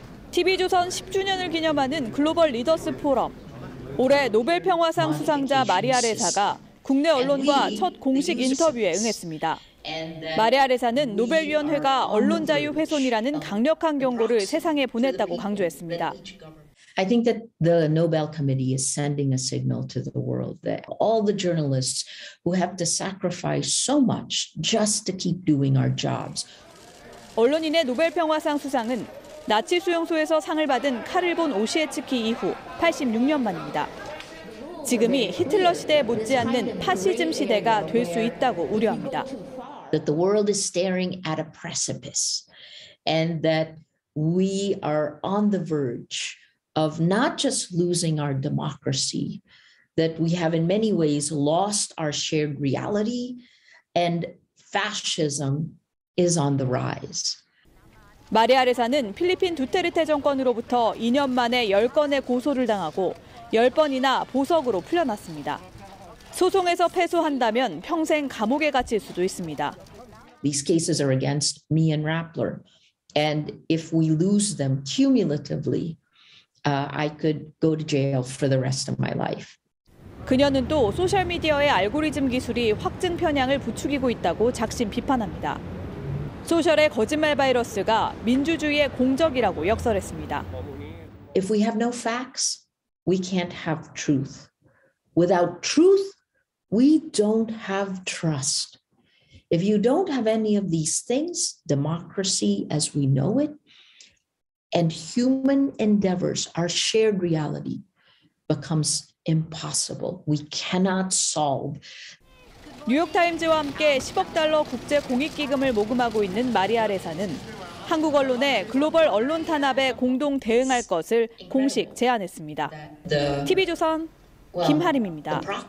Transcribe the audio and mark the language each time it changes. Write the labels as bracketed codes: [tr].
[ko] TV조선 10주년을 기념하는 글로벌 리더스 포럼. 올해 노벨평화상 수상자 마리아 레사가 국내 언론과 첫 공식 인터뷰에 응했습니다. 마리아 레사는 노벨위원회가 언론 자유 훼손이라는 강력한 경고를 세상에 보냈다고 강조했습니다. [en] I think that the Nobel Committee is sending a signal to the world that all the journalists who have to sacrifice so much just to keep doing our jobs. [ko] 언론인의 노벨평화상 수상은 나치 수용소에서 상을 받은 카를 본 오시에츠키 이후 86년 만입니다. 지금이 히틀러 시대에 못지않는 파시즘 시대가 될 수 있다고 우려합니다. [en] That the world is staring at a precipice and that we are on the verge of not just losing our democracy, that we have in many ways lost our shared reality and fascism is on the rise. [ko] 마리아 레사는 필리핀 두테르테 정권으로부터 2년 만에 10건의 고소를 당하고 10번이나 보석으로 풀려났습니다. 소송에서 패소한다면 평생 감옥에 갇힐 수도 있습니다. [en] These cases are against me and Rappler. And if we lose them cumulatively, I could go to jail for the rest of my life. [ko] 그녀는 또 소셜미디어의 알고리즘 기술이 확증 편향을 부추기고 있다고 작심 비판합니다. 소셜의 거짓말 바이러스가 민주주의의 공적이라고 역설했습니다. [en] If we have no facts, we can't have truth. Without truth, we don't have trust. If you don't have any of these things, democracy as we know it, and human endeavors, our shared reality, becomes impossible. We cannot solve. [ko] 뉴욕타임즈와 함께 10억 달러 국제 공익기금을 모금하고 있는 마리아 레사는 한국 언론의 글로벌 언론 탄압에 공동 대응할 것을 공식 제안했습니다. TV조선 김하림입니다.